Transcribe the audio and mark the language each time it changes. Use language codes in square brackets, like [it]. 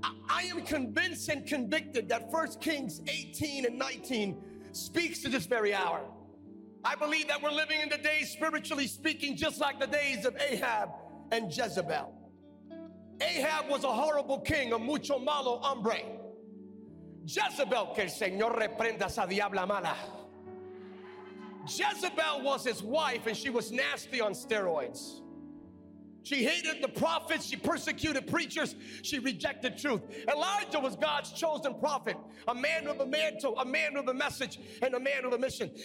[en] I am convinced and convicted that 1 Kings 18 and 19 speaks to this very hour. I believe that we're living in the days, spiritually speaking, just like the days of Ahab and Jezebel. Ahab was a horrible king, a [es] mucho malo hombre. Jezebel, que el Señor reprenda esa diabla mala. [en] Jezebel was his wife, and she was nasty on steroids. She hated the prophets, she persecuted preachers, she rejected truth. Elijah was God's chosen prophet, a man with a mantle, a man with a message, and a man with a mission.